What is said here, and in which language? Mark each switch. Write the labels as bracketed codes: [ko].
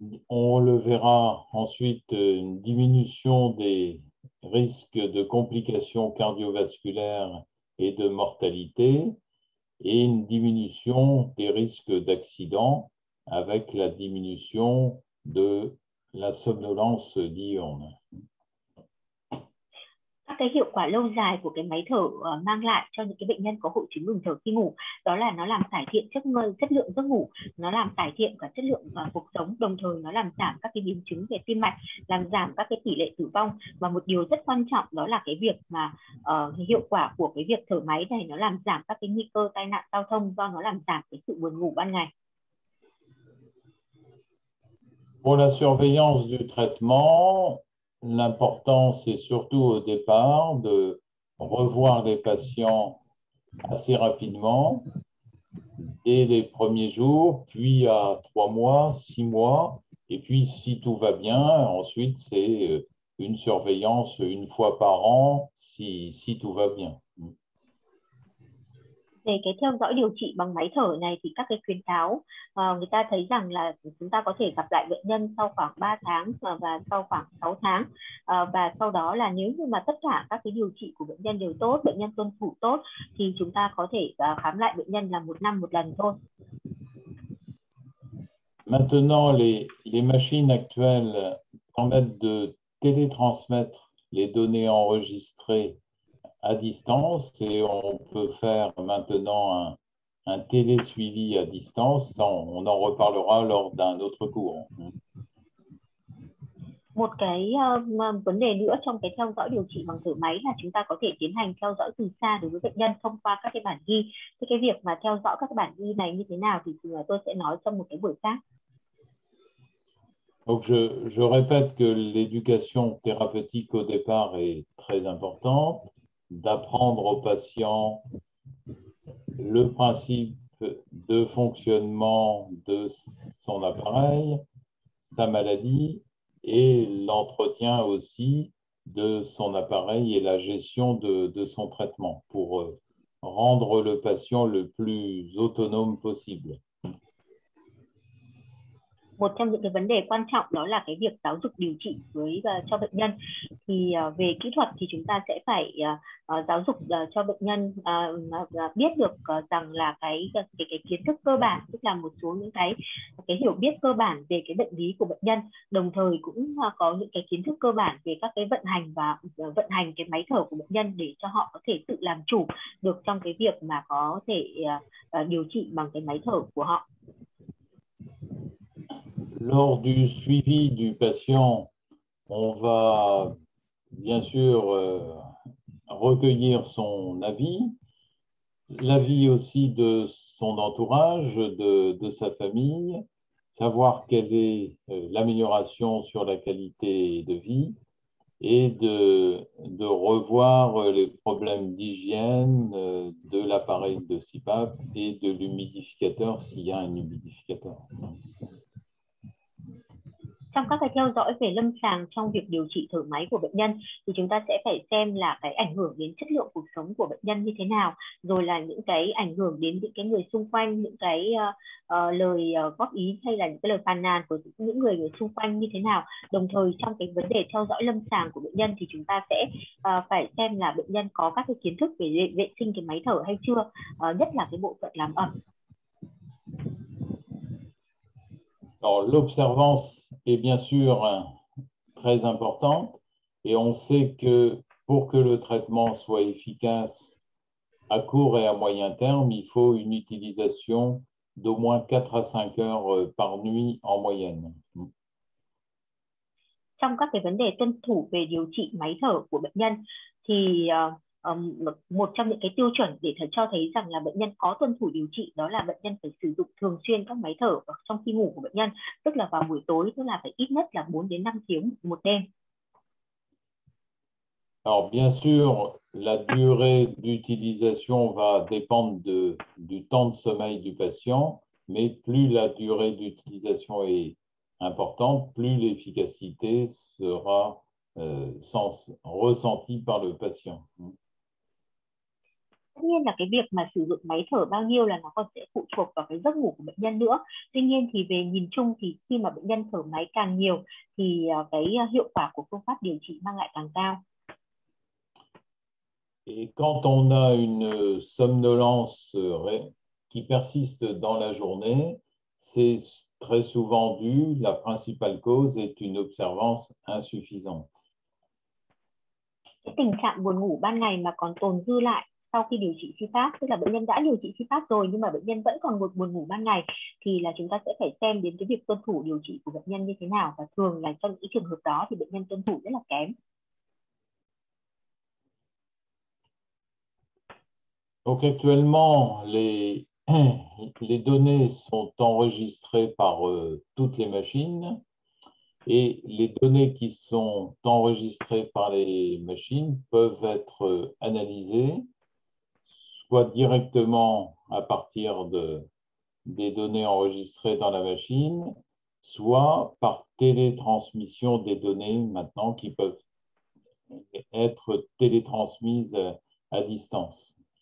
[fr] On le verra ensuite, une diminution des risques de complications cardiovasculaires et de mortalité, et une diminution des risques d'accident avec la diminution de la somnolence diurne. [vi] Các cái hiệu quả lâu dài của cái máy thở mang lại cho những cái bệnh nhân có hội chứng ngừng thở khi ngủ đó là nó làm cải thiện chất lượng giấc ngủ, nó làm cải thiện cả chất lượng cuộc sống, đồng thời nó làm giảm các cái biến chứng về tim mạch, làm giảm các cái tỷ lệ tử vong, và một điều rất quan trọng đó là cái việc mà hiệu quả của cái việc thở máy này nó làm giảm các cái nguy cơ tai nạn giao thông do nó làm giảm cái sự buồn ngủ ban ngày. [fr] Pour la surveillance du traitement, l'important c'est surtout au départ de revoir les patients assez rapidement, dès les premiers jours, puis à 3 mois, 6 mois, et puis si tout va bien, ensuite c'est une surveillance une fois par an, si tout va bien. [vi] Về cái theo dõi điều trị bằng máy thở này thì các cái khuyến cáo người ta thấy rằng là chúng ta có thể gặp lại bệnh nhân sau khoảng 3 tháng và sau khoảng 6 tháng. Và sau đó là nếu như mà tất cả các cái điều trị của bệnh nhân đều tốt, bệnh nhân tuân thủ tốt thì chúng ta có thể khám lại bệnh nhân là 1 năm một lần thôi. [fr] Maintenant, les machines actuelles permettent de télétransmettre les données enregistrées à distance et on peut faire maintenant un télésuivi à distance. On en reparlera lors d'un autre cours. [vi] Một cái vấn đề nữa trong cái theo dõi điều trị bằng thở máy là chúng ta có thể tiến hành theo dõi từ xa đối với bệnh nhân thông qua các cái bản ghi. Thế cái việc mà theo dõi các cái bản ghi này như thế nào thì tôi sẽ nói trong một cái buổi khác. [fr] Donc je répète que l'éducation thérapeutique au départ est très importante, d'apprendre au patient le principe de fonctionnement de son appareil, sa maladie, et l'entretien aussi de son appareil et la gestion de son traitement pour rendre le patient le plus autonome possible. [vi] Một trong những cái vấn đề quan trọng đó là cái việc giáo dục điều trị với cho bệnh nhân. Thì về kỹ thuật thì chúng ta sẽ phải giáo dục cho bệnh nhân biết được rằng là cái kiến thức cơ bản, tức là một số những cái hiểu biết cơ bản về cái bệnh lý của bệnh nhân, đồng thời cũng có những cái kiến thức cơ bản về các cái vận hành và vận hành cái máy thở của bệnh nhân để cho họ có thể tự làm chủ được trong cái việc mà có thể điều trị bằng cái máy thở của họ. [fr] Lors du suivi du patient, on va bien sûr recueillir son avis, l'avis aussi de son entourage, de sa famille, savoir quelle est l'amélioration sur la qualité de vie et de revoir les problèmes d'hygiène de l'appareil de CPAP et de l'humidificateur s'il y a un humidificateur. [vi] Trong các cái theo dõi về lâm sàng trong việc điều trị thở máy của bệnh nhân thì chúng ta sẽ phải xem là cái ảnh hưởng đến chất lượng cuộc sống của bệnh nhân như thế nào, rồi là những cái ảnh hưởng đến những cái người xung quanh, những cái lời góp ý hay là những cái lời phàn nàn của những người xung quanh như thế nào. Đồng thời trong cái vấn đề theo dõi lâm sàng của bệnh nhân thì chúng ta sẽ phải xem là bệnh nhân có các cái kiến thức về vệ sinh cái máy thở hay chưa, nhất là cái bộ phận làm ẩm. [fr] Alors, l'observance est bien sûr très importante et on sait que pour que le traitement soit efficace à court et à moyen terme, il faut une utilisation d'au moins 4 à 5 heures par nuit en moyenne. [vi] Trong các cái vấn đề tuân thủ về điều trị máy thở của bệnh nhân thì một trong những cái tiêu chuẩn để cho thấy rằng là bệnh nhân có tuân thủ điều trị đó là bệnh nhân phải sử dụng thường xuyên các máy thở trong khi ngủ của bệnh nhân, tức là vào buổi tối, tức là phải ít nhất là 4 đến 5 tiếng một đêm. [fr] Alors bien sûr, la durée d'utilisation va dépendre du temps de sommeil du patient, mais plus la durée d'utilisation est importante, plus l'efficacité sera sens ressenti par le patient. [vi] Tất nhiên là cái việc mà sử dụng máy thở bao nhiêu là nó còn sẽ phụ thuộc vào cái giấc ngủ của bệnh nhân nữa. Tuy nhiên thì về nhìn chung thì khi mà bệnh nhân thở máy càng nhiều thì cái hiệu quả của phương pháp điều trị mang lại càng cao. [fr] Et quand on a une somnolence qui persiste dans la journée, c'est très souvent dû, la principale cause est une observance insuffisante. [vi] Cái tình trạng buồn ngủ ban ngày mà còn tồn dư lại sau khi điều trị CPAP, tức là bệnh nhân đã điều trị CPAP rồi nhưng mà bệnh nhân vẫn còn buồn ngủ ban ngày, thì là chúng ta sẽ phải xem đến cái việc tuân thủ điều trị của bệnh nhân như thế nào, và thường là trong những trường hợp đó thì bệnh nhân tuân thủ rất là kém. [fr] Donc actuellement, les données sont enregistrées par toutes les machines et les données qui sont enregistrées par les machines peuvent être analysées soit directement à partir des données enregistrées dans la machine, soit par télétransmission des données maintenant qui peuvent être télétransmises à distance.